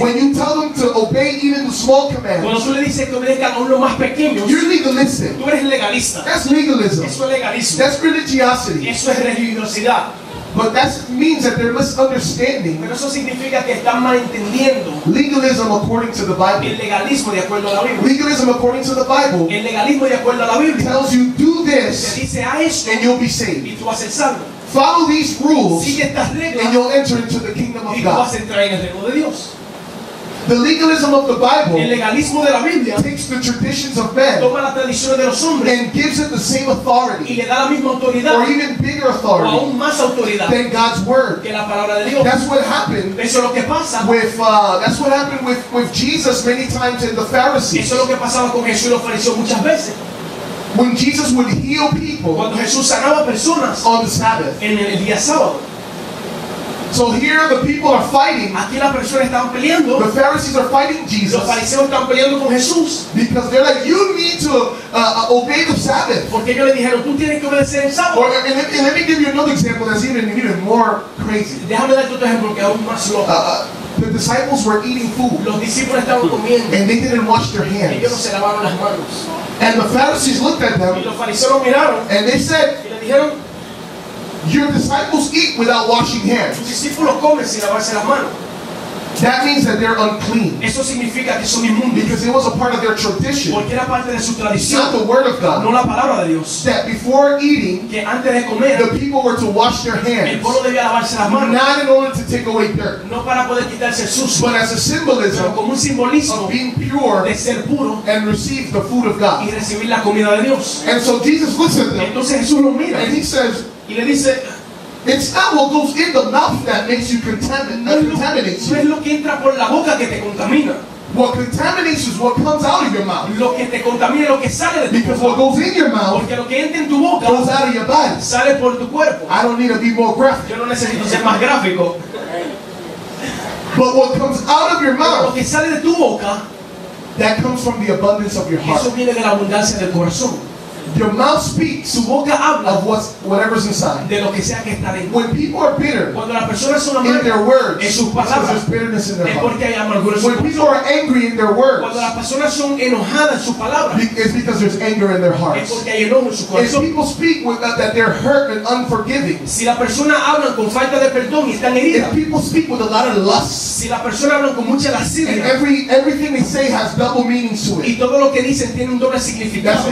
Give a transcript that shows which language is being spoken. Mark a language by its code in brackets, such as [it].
[en] when you tell them to obey even the small commands, [es] cuando tú le dices que obedezcan aún los más pequeños, [en] you're legalistic. [es] Tú eres legalista. [en] That's legalism. [es] Eso es legalismo. [en] That's religiosity. [es] Eso es religiosidad. [en] But that means that they're misunderstanding. [es] Pero eso significa que están malentendiendo. [en] Legalism according to the Bible. [es] El legalismo de acuerdo a la Biblia. [en] Legalism according to the Bible. [es] El legalismo de acuerdo a la Biblia. [en] Tells you do this. [es] Te dice a esto. [en] And you'll be saved. [es] Y tú vas a ser salvo. [en] Follow these rules. [es] Sigue estas reglas. [en] And you'll enter into the kingdom of God. [es] Y tú vas a entrar en el reino de Dios. [en] The legalism of the Bible, [es] el legalismo de la Biblia, [en] takes the traditions of men, [es] toma las tradiciones de los hombres, [en] and gives it the same authority, [es] y le da la misma autoridad, [en] or even bigger authority, [es] o aún más autoridad, [en] than God's word, [es] que la palabra de Dios. [en] That's what happened. [es] Eso es lo que pasa. [en] That's what happened with Jesus many times and the Pharisees. [es] Eso es lo que pasaba con Jesús y los fariseos muchas veces. [en] When Jesus would heal people, [es] cuando Jesús sanaba personas, [en] on the Sabbath, [es] en el día sábado. [en] So here the people are fighting. [es] Aquí las personas estaban peleando. [en] The Pharisees are fighting Jesus. [es] Los fariseos están peleando con Jesús. [en] Because they're like, you need to obey the Sabbath. [es] Porque ellos le dijeron, tú tienes que obedecer el sábado. [en] Or, and let me give you another example that's even more crazy. [es] Déjame darte otro ejemplo que es aún más loco. [en] The disciples were eating food. [es] Los discípulos estaban comiendo. [en] And they didn't wash their hands. [es] Ellos no se lavaron las manos. [en] And the Pharisees looked at them. [es] Y los fariseos lo miraron. [en] And they said. [es] Y le dijeron. [en] Your disciples eat without washing hands. [es] Tus discípulos comen sin lavarse las manos. [en] That means that they're unclean. [es] Eso significa que son inmundos. [en] Because it was a part of their tradition. [es] Porque era parte de su tradición. [en] Not the word of God. [es] No la palabra de Dios. [en] That before eating, [es] que antes de comer, [en] the people were to wash their hands. [es] El pueblo debía lavarse las manos. [en] Not in order to take away dirt. [es] No para poder quitarse sucio. [en] But as a symbolism, [es] pero como un simbolismo, [en] of being pure, [es] de ser puro, [en] and receive the food of God. [es] Y recibir la comida de Dios. [en] And so Jesus listened to them. [es] Entonces Jesús lo mira. [en] And he says, [es] y le dice, [en] it's not what goes in the mouth that makes you contaminates you. [es] No es lo que entra por la boca que te contamina. [en] What contaminates you is what comes out of your mouth. [es] Lo que te contamina es lo que sale de tu [en] because [es] boca. [en] Because what goes in your mouth, [es] porque lo que entra en tu boca, [en] goes out of your body. [es] Sale por tu cuerpo. [en] I don't need to be more graphic. [es] Yo no necesito ser más gráfico. [en] But what comes out of your mouth, [es] lo que sale de tu boca, [en] that comes from the abundance of your heart. [es] Eso viene de la abundancia del corazón. [en] Your mouth speaks, [es] su boca habla, [en] of whatever's inside. [es] De lo que sea que está dentro. [en] When people are bitter, [es] cuando las personas son amargas, [en] in their words, [es] en sus palabras, [en] there's bitterness in their [es] es porque hay amargura en su corazón. [en] When people are angry in their words, [es] cuando las personas son enojadas en sus palabras, [en] it's because there's anger in their hearts. [es] Es porque hay enojo en su corazón. [en] If people speak with that they're hurt and unforgiving, [es] si las personas hablan con falta de perdón y están heridas, [en] if people speak with a lot of lust, [es] si las personas hablan con mucha lascivia, [en] and everything they say has double meanings to it, [es] y todo lo que dicen tiene un doble significado,